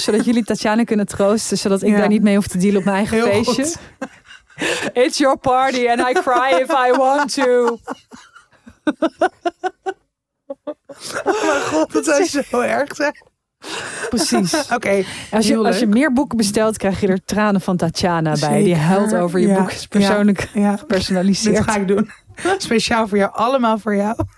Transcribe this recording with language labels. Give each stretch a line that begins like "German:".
Dutch: Zodat jullie Tatjana kunnen troosten. Zodat ik daar niet mee hoef te dealen op mijn eigen heel feestje. Goed.
English: It's your party and I cry if I want to.
Dutch: Oh mijn god, dat zou zo erg zijn. Precies. Oké. Okay, als je meer boeken bestelt, krijg je er tranen van Tatjana bij. Zeker. Die huilt over je boek. Persoonlijk gepersonaliseerd. Dat ga ik doen. Speciaal voor jou. Allemaal voor jou.